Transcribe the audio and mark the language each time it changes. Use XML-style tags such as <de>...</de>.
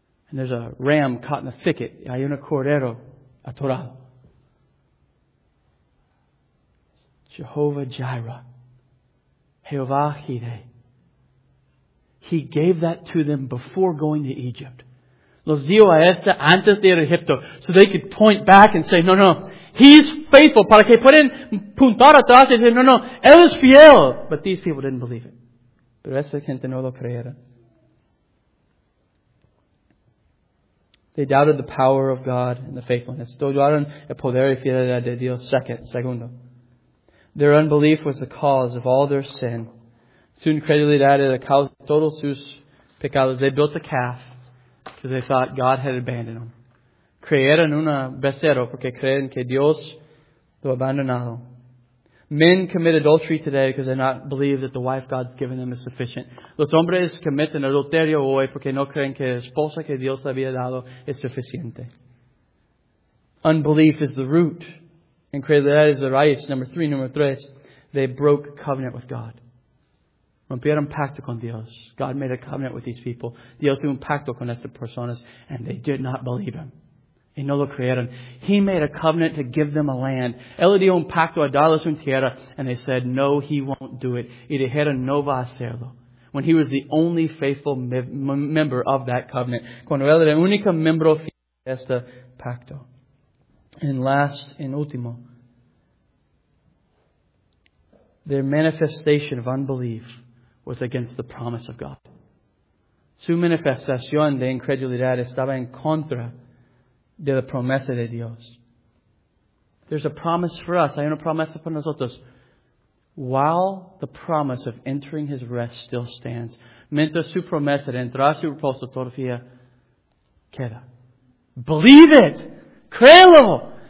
<en>And there's a ram caught in a thicket.</en> <es>Hay un cordero atorado.</es> <en>Jehovah Jireh. Jehovah Jireh. He gave that to them before going to Egypt.</en> <es>Los dio a esta antes de ir a Egipto.</es> <en>So they could point back and say, no. He's faithful.</en> <es>Para que pueden puntar atrás y decir, no. Él es fiel.</es> <en>But these people didn't believe it.</en> <es>Pero esa gente no lo creyera.</es> <en>They doubted the power of God and the faithfulness.</en> <es>Dudaron el poder y fidelidad de Dios.</es> <en>Segundo. Their unbelief was the cause of all their sin.</en> <es>Su incredulidad era la causa de todos sus pecados.</es> <en>They built a calf because they thought God had abandoned them.</en> <es>Creyeron un becerro porque creen que Dios lo abandonado.</es> <en>Men commit adultery today because they not believe that the wife God's given them is sufficient.</en> <es>Los hombres cometen adulterio hoy porque no creen que la esposa que Dios le había dado es suficiente.</es> <en>Unbelief is the root. Incredulidad is the raíz. Number three. They broke covenant with God.</en> <es>Rompieron pacto con Dios.</es> <en>God made a covenant with these people.</en> <es>Dios hizo un pacto con estas personas</es> <en>and they did not believe Him.</en> <es>Y no lo creyeron.</es> <en>He made a covenant to give them a land.</en> <es>Él dio un pacto a darles una tierra.</es> <en>And they said, no, He won't do it.</en> <es>Y dijeron, no va a hacerlo.</es> <en>When He was the only faithful member of that covenant.</en> <es>Cuando él era el único miembro fiel de este pacto.</es> <en>And last and último. Their manifestation of unbelief was against the promise of God.</en> <es>Su manifestación de incredulidad estaba en contra de la promesa de Dios.</es> <en>There's a promise for us.</en> <es>Hay una promesa para nosotros.</es> <en>While the promise of entering His rest still stands,</en> <es>mientras su promesa de entrar a su reposo todavía queda.</es> <en>Believe it!</en> <es>Créelo!</es>